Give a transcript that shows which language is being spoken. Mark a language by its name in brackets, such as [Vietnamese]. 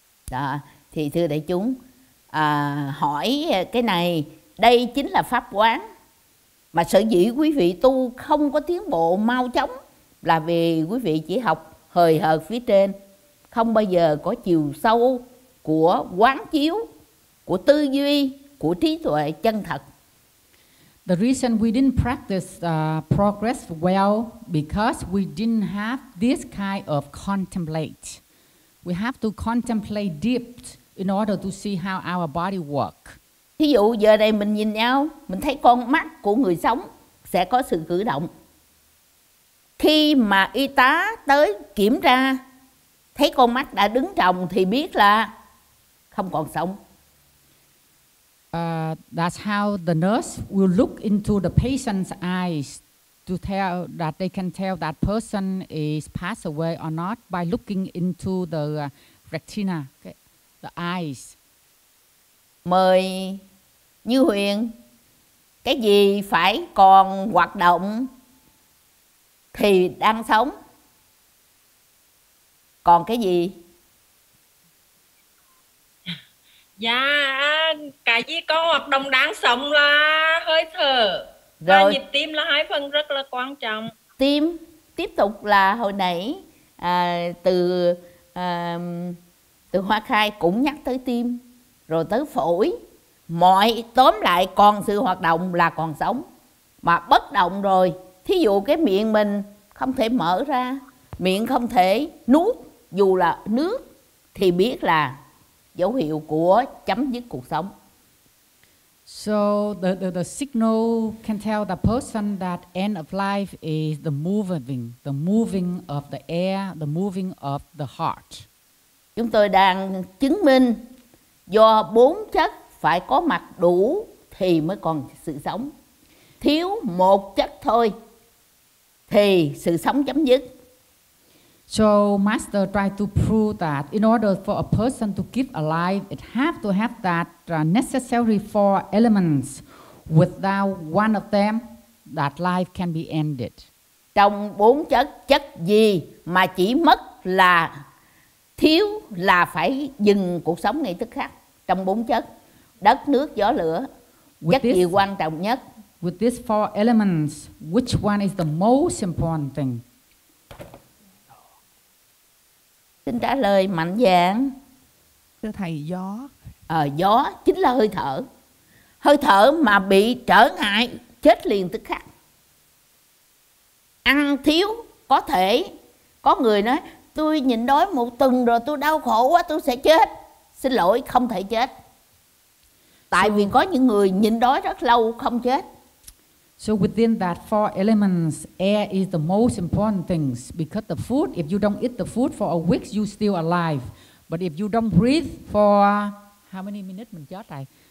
[Vietnamese] Đó, thì thưa đại chúng, hỏi cái này, đây chính là pháp quán. Mà sở dĩ quý vị tu không có tiến bộ mau chóng là vì quý vị chỉ học hời hợt phía trên, không bao giờ có chiều sâu của quán chiếu, của tư duy, của trí tuệ chân thật. [English] The reason we didn't practice progress well because we didn't have this kind of contemplate. We have to contemplate deep in order to see how our body work. [Vietnamese] Thí dụ giờ đây mình nhìn nhau, mình thấy con mắt của người sống sẽ có sự cử động. Khi mà y tá tới kiểm tra, thấy con mắt đã đứng tròng thì biết là không còn sống. [English] That's how the nurse will look into the patient's eyes to tell that they can tell that person is passed away or not by looking into the retina, okay? The eyes. [Vietnamese] Mời Như Huyền, cái gì phải còn hoạt động thì đang sống, còn cái gì? Dạ, cái gì có hoạt động đáng sống là hơi thở. Rồi. Và nhịp tim là hai phần rất là quan trọng. Tim tiếp tục là hồi nãy từ Hoa Khai cũng nhắc tới tim, rồi tới phổi. Mọi tóm lại còn sự hoạt động là còn sống. Mà bất động rồi, thí dụ cái miệng mình không thể mở ra, miệng không thể nuốt dù là nước, thì biết là dấu hiệu của chấm dứt cuộc sống. [English] So the signal can tell the person that end of life is the moving of the air, the moving of the heart. [Vietnamese] Chúng tôi đang chứng minh do bốn chất phải có mặt đủ thì mới còn sự sống. Thiếu một chất thôi thì sự sống chấm dứt. [English] So Master tried to prove that in order for a person to keep alive, it have to have that necessary four elements. Without one of them, that life can be ended. [Vietnamese] Trong bốn chất, chất gì mà chỉ mất là thiếu là phải dừng cuộc sống ngay tức khắc? Trong bốn chất, đất, nước, gió, lửa, chất gì quan trọng nhất? [English] With these four elements, which one is the most important thing? [Vietnamese] Xin trả lời mạnh dạn. Thưa thầy, gió. Gió chính là hơi thở. Hơi thở mà bị trở ngại, chết liền tức khắc. Ăn thiếu có thể. Có người nói, tôi nhịn đói một tuần rồi tôi đau khổ quá tôi sẽ chết. Xin lỗi, không thể chết. Tại vì có những người nhịn đói rất lâu không chết. [English] So within that four elements, air is the most important thing. Because the food, if you don't eat the food for a week, you still alive. But if you don't breathe for how many minutes? [Vietnamese] Mình chết rồi.